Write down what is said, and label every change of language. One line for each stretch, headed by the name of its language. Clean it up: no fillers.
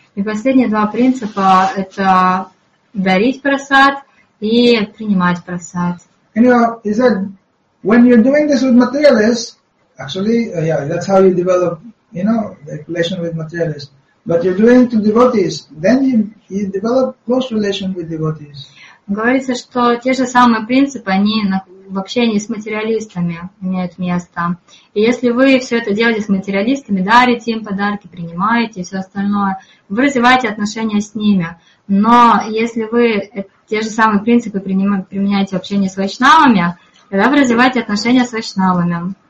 Russian: И последние два принципа — это дарить прасад и принимать прасад.
English: He said, when you're doing this with materialists, actually, that's how you develop, the relation with materialists. But you're doing it to devotees, then you develop close relation with devotees.
Russian: Говорится, что те же самые принципы, они в общении с материалистами имеют место. И если вы все это делаете с материалистами, дарите им подарки, принимаете и все остальное, вы развиваете отношения с ними. Но если вы те же самые принципы применяете в общении с вайшнавами, тогда вы развиваете отношения с вайшнавами.